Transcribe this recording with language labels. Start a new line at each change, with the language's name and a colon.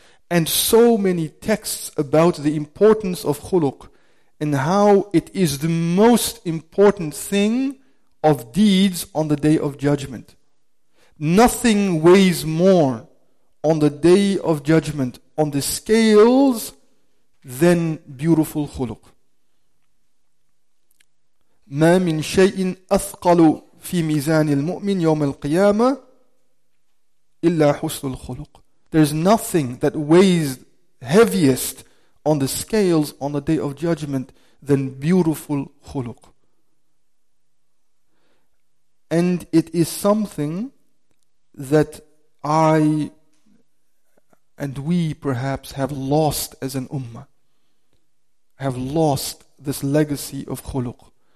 English: And so many texts about the importance of khuluq and how it is the most important thing of deeds on the day of judgment. Nothing weighs more on the day of judgment on the scales than beautiful khuluq.
Arabic: ما من شيء أثقل في ميزان المؤمن يوم القيامة إلا حسن الخلق.
English: There's nothing that weighs heaviest on the scales on the day of judgment than beautiful khuluq. And it is something that I and we perhaps have lost as an ummah, have lost this legacy of khuluq.